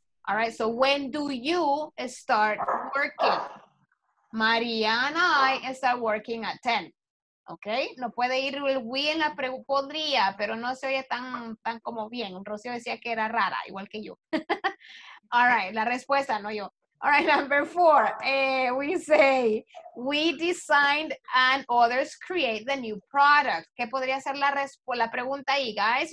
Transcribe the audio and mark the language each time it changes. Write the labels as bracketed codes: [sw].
[en] All right, so when do you start working? María and I start working at 10. [es] Ok, no puede ir el we en la pregunta, podría, pero no se oye tan, tan como bien. Rocío decía que era rara, igual que yo. [en] All right, [es] la respuesta, no yo. [en] All right, number four, we say, we designed and others create the new product. [es] ¿Qué podría ser la, la pregunta ahí, guys?